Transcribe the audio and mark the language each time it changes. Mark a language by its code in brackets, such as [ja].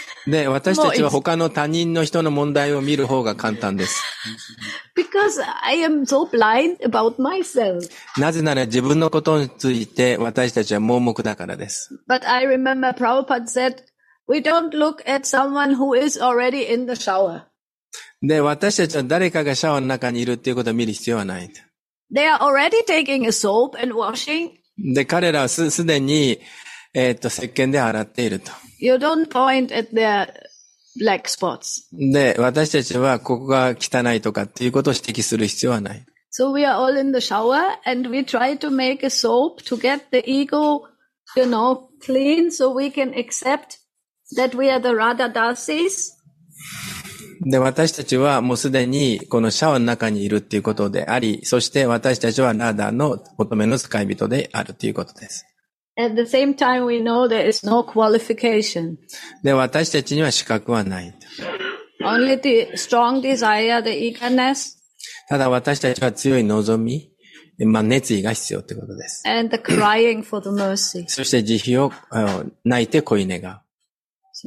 [ja] で、私たちは他の他人の人の問題を見る方が簡単です。 [en] Because I am so blind about myself. [ja] なぜなら自分のことについて私たちは盲目だからです。 [en] But I remember Prabhupada said, we don't look at someone who is already in the shower. [ja] で、私たちは誰かがシャワーの中にいるっていうことを見る必要はない。 [en] They are already taking a soap and washing. [ja] で、彼らはすでに、石鹸で洗っていると。 [en] You don't point at their black spots. [ja] で、私たちはここが汚いとかっていうことを指摘する必要はない。 [en] So we are all in the shower and we try to make a soap to get the ego, you know, clean so we can accept that we are the Radha Dasis. [ja] で、私たちはもうすでにこのシャワーの中にいるっていうことであり、そして私たちはラーダの乙女の使い人であるということです。 [en] At the same time, we know there is no qualification. [ja] で、私たちには資格はない。 [en] Only the strong desire, the eagerness. [ja] ただ私たちは強い望み、まあ、熱意が必要ということです。 [en] And the crying for the mercy. [ja] そして慈悲を泣いて恋願う。